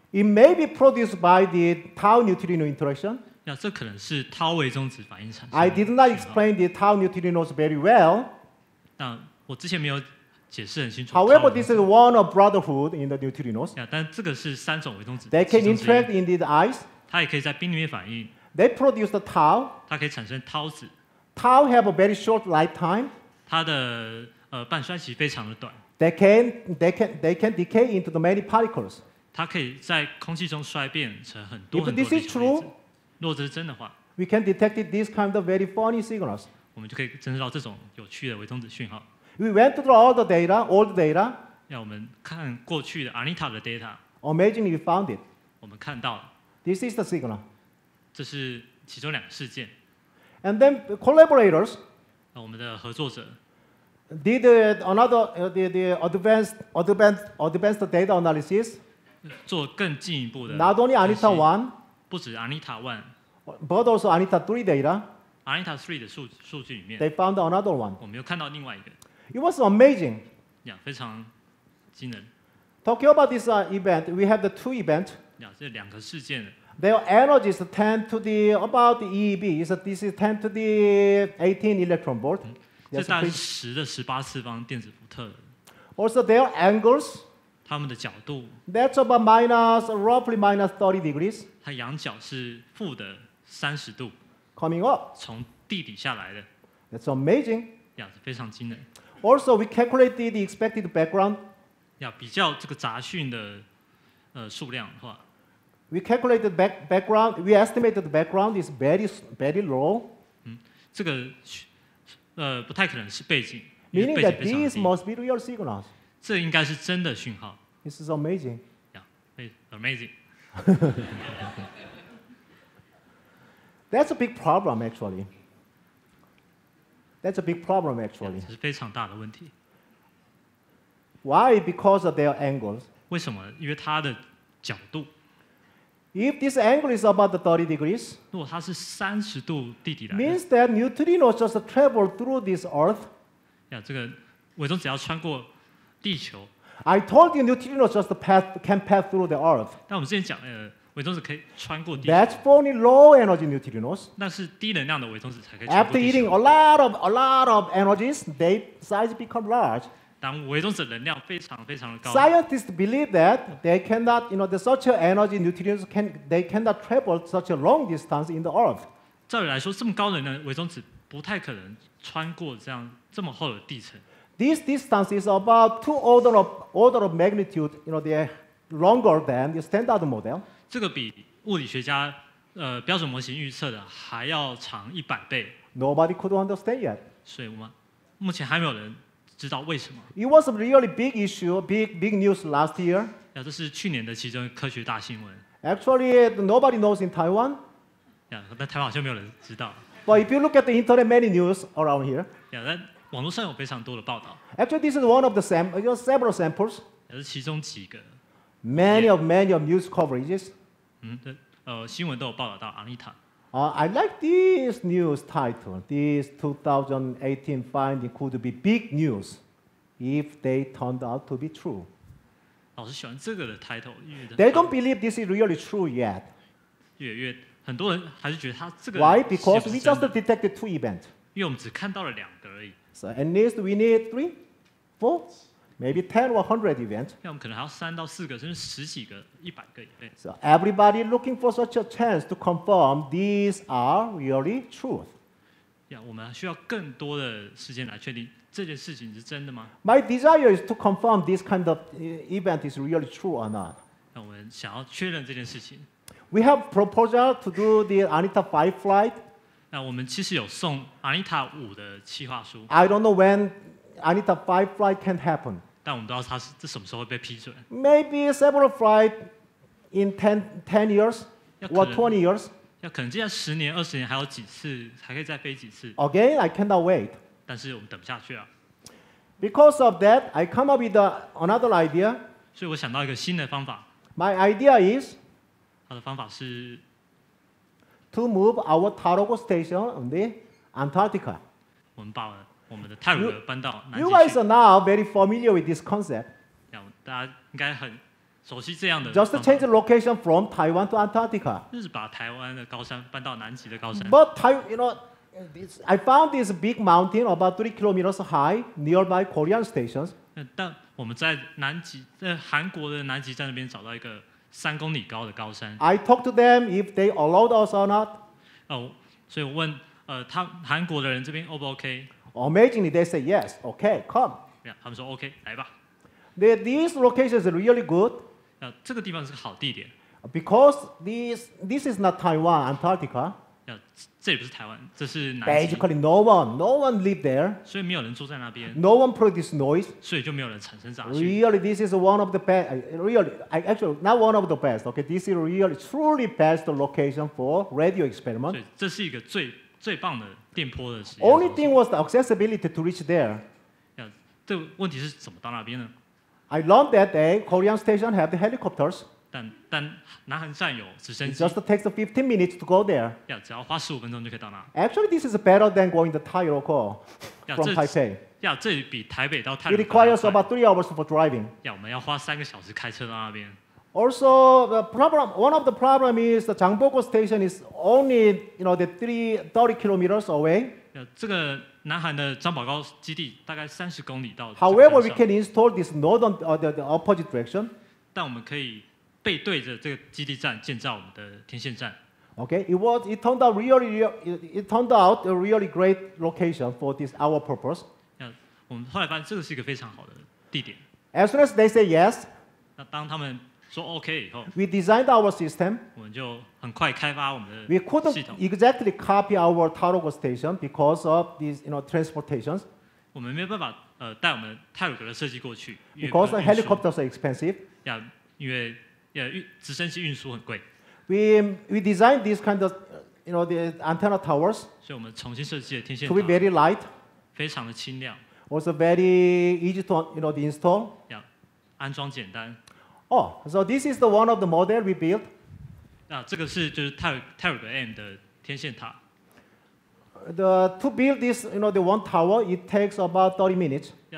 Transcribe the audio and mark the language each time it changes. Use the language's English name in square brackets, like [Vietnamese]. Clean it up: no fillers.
[English] It may be produced by the tau neutrino interaction. [Chinese] Yeah, 这可能是 tau 微中子反应产生的。 [English] I did not explain the tau neutrinos very well. [Chinese] 但我之前没有解释很清楚。 [English] However, this is one of brotherhood in the neutrinos. [Chinese] Yeah, 但这个是三种微中子。 [English] They can interact in the ice. [Chinese] 它也可以在冰里面反应。 [English] They produce the tau. [Chinese] 它可以产生 tau 子。 [English] Tau have a very short lifetime. [Chinese] 它的半衰期非常的短。 [English] They can decay into the many particles. [Chinese] 它可以在空气中衰变成很多很多粒子。若这是真的话 [English] ，we can detect these kind of very funny signals. [Chinese] 我们就可以侦测到这种有趣的微中子讯号。 [English] We went through all the data, old data. [Chinese] 让我们看过去的 ANITA 的 data. [English] Amazingly, we found it. [Chinese] 我们看到了。 [English] This is the signal. [Chinese] 这是其中两个事件。 [English] And then the collaborators. [Chinese] 我们的合作者。 [English] Did another the advanced data analysis. [Chinese] 做更进一步的。 [English] Not only ANITA one. [Chinese] 不止 ANITA 1, [English] but also ANITA 3 data. [Chinese] ANITA 3的数据里面 [English] ，they found another one. [Chinese] 我们又看到另外一个。 [English] It was amazing. [Chinese] 呀，非常惊人。 [English] Talking about this event, we have the two event. [Chinese] 呀，这两个事件。 [English] Their energy is 10 to the about the EEB. Is this is 10 to the 18 electron volt? [Chinese] 这大概是10的18次方电子伏特。 [English] Also, their angles. [Chinese] 他们的角度。 [English] That's about minus roughly minus 30 degrees. [Chinese] 它仰角是负的三十度 [English] ，coming up [Chinese] 从地底下来的 [English] ，that's amazing， [Chinese] 呀，非常惊人。 [English] Also, we calculated the expected background， [Chinese] 呀，比较这个杂讯的数量的话 [English] ，we calculated background， we estimated the background is very very low， [Chinese] 这个不太可能是背景 [English] ，meaning that these must be real signals， [Chinese] 这应该是真的讯号 [English] ，this is amazing， [Chinese] 呀 ，amazing。 [English] That's a big problem, actually. That's a big problem, actually. [Chinese] 这是非常大的问题。 [English] Why? Because of their angles. [Chinese] 为什么？因为它的角度。 [English] If this angle is about 30 degrees, [Chinese] 如果它是三十度地底来的 [English] ，means that neutrinos just travel through this Earth. [Chinese] 呀，这个微中子要穿过地球。 [English] I told you neutrinos just pass, can pass through the Earth. [Chinese] 但我们之前讲，微中子可以穿过地球。 [English] That's only low energy neutrinos. [Chinese] 那是低能量的微中子才可以穿过地球。 [English] After eating a lot of energies, their size become large. [Chinese] 当微中子能量非常非常的高。 [English] Scientists believe that they cannot, you know, the such energy neutrinos can they cannot travel such a long distance in the Earth. [Chinese] 照理来说，这么高能量微中子不太可能穿过这样这么厚的地层。 [English] This distance is about two order of magnitude, you know, they are longer than the standard model. [Chinese] 这个比物理学家标准模型预测的还要长一百倍。 [English] Nobody could understand yet. [Chinese] 所以目前还没有人知道为什么。 [English] It was a really big issue, big news last year. [Chinese] 这是去年的其中科学大新闻。 [English] Actually, nobody knows in Taiwan. [Chinese] 但台湾好像没有人知道。 [English] But if you look at the internet, many news around here. [Chinese] 网络上有非常多的报道。 [English] Actually, this is one of the several samples. [Chinese] 也是其中几个。 [English] Many of news coverages. [Chinese] 新闻都有报道到 ANITA。 [English] I like this news title. This 2018 finding could be big news if they turned out to be true. [Chinese] 老师喜欢这个的 title， 因为 [English] they don't believe this is really true yet. [Chinese] 越很多人还是觉得它这个。 [English] Why? Because we just detected two events. [Chinese] 因为我们只看到了两个而已。 [English] So at least we need 3, 4, maybe 10 or 100 events. [Chinese] 那我们可能还要三到四个，甚至十几个、一百个 events. [English] So everybody looking for such a chance to confirm these are really truth. [Chinese] 我们需要更多的时间来确定这件事情是真的吗 [English] ？My desire is to confirm this kind of event is really true or not. [Chinese] 那我们想要确认这件事情。 [English] We have proposal to do the ANITA 5 flight. [Chinese] 我们其实有送 ANITA 5的企划书。 [English] I don't know when ANITA 5 flight can happen. [Chinese] 但我们不知道它是这什么时候会被批准。 [English] Maybe several flight in 10 years or 20 years. [Chinese] 要可能接下来十年、二十年还有几次，还可以再飞几次。 [English] Again, I cannot wait. [Chinese] 但是我们等不下去了。 [English] Because of that, I come up with another idea. [Chinese] 所以我想到一个新的方法。 [English] My idea is. [Chinese] 它的方法是。 [English] To move our TAROGE station on the Antarctica. [Chinese] 我们把我们的太鲁阁搬到南极去。 [English] You guys are now very familiar with this concept. [Chinese] 大家应该很熟悉这样的 [English] Just change the location from Taiwan to Antarctica. [Chinese] 就是把台湾的高山搬到南极的高山。 [English] But I found this big mountain about 3 kilometers high nearby Korean stations. [Chinese] 但我们在南极，在韩国的南极站那边找到一个3公里高的高山。 [English] I talked to them if they allowed us or not. [Chinese] 所以我问，他韩国的人这边 O 不 OK？ [English] Amazingly, they say yes. Okay, come. [Chinese] 他们说 OK， 来吧。 [English] This location is really good. [Chinese] 这个地方是个好地点。 [English] Because this is not Taiwan, Antarctica. [Chinese] 这也不是台湾，这是南极。 [English] Basically, no one live there. [Chinese] 所以没有人住在那边。 [English] No one produce noise. [Chinese] 所以就没有人产生杂讯。 [English] Really, this is one of the best. Really, actually, not one of the best. Okay, this is really truly best location for radio experiment. [Chinese] 这是一个最棒的电波的实验。 [English] Only thing was the accessibility to reach there. [Chinese] 这问题是怎么到那边呢？ [English] I learned that day, Korean station have the helicopters. [Chinese] 但南韩站有直升机。 [English] It just takes 15 minutes to go there. [Chinese] 只要花15分钟就可以到那。 [English] Actually, this is better than going the TAROGE from Taipei. [Chinese] 这比台北到泰。 [English] It requires about 3 hours for driving. [Chinese] 我们要花3个小时开车到那边。 [English] Also, the problem, one of the problem is the 장보고 station is only, you know, the 30 kilometers away. [Chinese] 这个南韩的张保高基地大概30公里到。 [English] However, we can install this northern or the opposite direction. [Chinese] 但我们可以背对着这个基地站建造我们的天线站。 [English] Okay, it turned out a really great location for this our purpose. [Chinese] 我们后来发现这个是一个非常好的地点。 [English] As soon as they say yes, [Chinese] 那当他们说 OK 以后 [English] ，we designed our system. [Chinese] 我们就很快开发我们的系统。 [English] We couldn't exactly copy our TAROGE station because of these, you know, transportations. [Chinese] 我们没有办法带我们泰鲁格的设计过去。 [English] Because the helicopters are expensive. [Chinese] 因为直升机运输很贵。 [English] We designed these kind of, you know, the antenna towers. [Chinese] 所以我们重新设计了天线塔。 [English] To be very light. [Chinese] 非常的轻量。 [English] Also very easy to, you know, the install. [Chinese] 安装简单。 [English] Oh, so this is the one of the model we built. [Chinese] 这个是就是泰鲁格 M 的天线塔。 [English] To build this, you know, the one tower, it takes about 30 minutes.